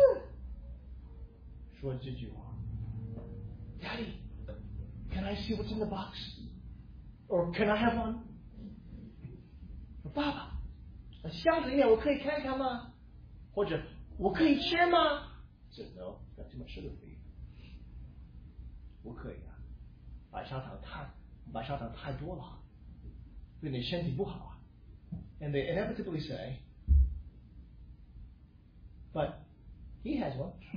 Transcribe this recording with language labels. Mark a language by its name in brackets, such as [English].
[Chinese] 两个男孩，每一次说这句话。 [English] Daddy, can I see what's in the box? Or can I have one? [Chinese] 爸爸，箱子里面我可以看看吗？或者我可以吃吗？ [English] Said, no, got too much sugar for you. [Chinese] 我可以啊，白砂糖太多了，对你身体不好啊。 [English] And they inevitably say, but he has one.